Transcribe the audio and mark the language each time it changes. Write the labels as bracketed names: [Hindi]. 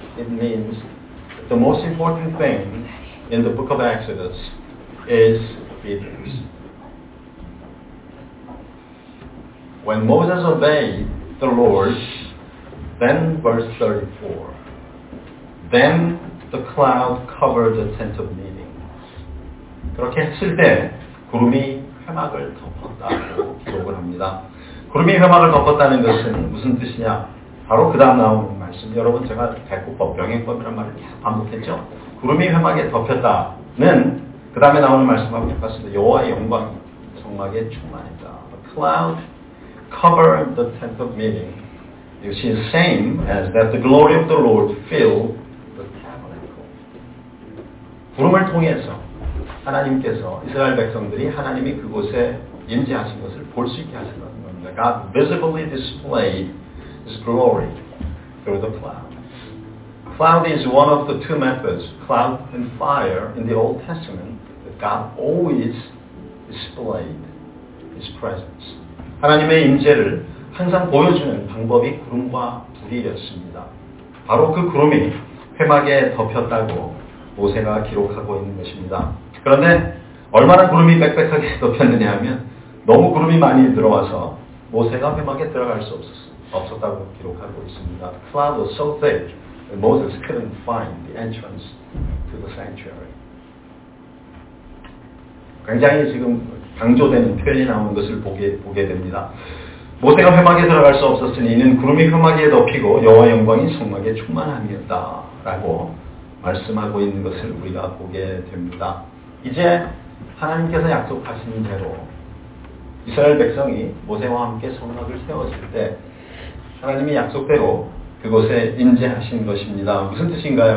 [English] It means that the most important thing in the book of Exodus is obedience. When Moses obeyed the Lord, then verse 34, then the cloud covered the tent of meeting. [Korean] 그렇게 했을 때 구름이 회막을 덮었다고 기록을 합니다. 구름이 회막을 덮었다는 것은 무슨 뜻이냐? 바로 그 다음 나오는 말씀, 여러분 제가 대꾸법, 명예법이란 말을 계속 반복했죠? 구름이 회막에 덮였다는 그 다음에 나오는 말씀하고 같습니다. 여호와의 영광이 성막에 충만했다. [English] The cloud cover the tent of meeting, which is same as that the glory of the Lord fill the tabernacle. [Korean] 구름을 통해서 하나님께서, 이스라엘 백성들이 하나님이 그곳에 임재하신 것을 볼 수 있게 하셨다는 겁니다. [English] God visibly displayed His glory through the cloud. Cloud is one of the two methods, cloud and fire, in the Old Testament, that God always displayed His presence. [Korean] 하나님의 임재를 항상 보여주는 방법이 구름과 불이었습니다. 바로 그 구름이 회막에 덮였다고 모세가 기록하고 있는 것입니다. 그런데 얼마나 구름이 빽빽하게 덮였느냐 하면 너무 구름이 많이 들어와서 모세가 회막에 들어갈 수 없었다고 기록하고 있습니다. [English] The cloud was so thick that Moses couldn't find the entrance to the sanctuary. [Korean] 굉장히 지금 강조되는 표현이 나오는 것을 보게 됩니다. 모세가 회막에 들어갈 수 없었으니 이는 구름이 회막에 덮이고 여호와의 영광이 성막에 충만함이었다 라고 말씀하고 있는 것을 우리가 보게 됩니다. 이제 하나님께서 약속하신 대로 이스라엘 백성이 모세와 함께 성막을 세웠을 때 하나님이 약속대로 그곳에 임재하신 것입니다. 무슨 뜻인가요?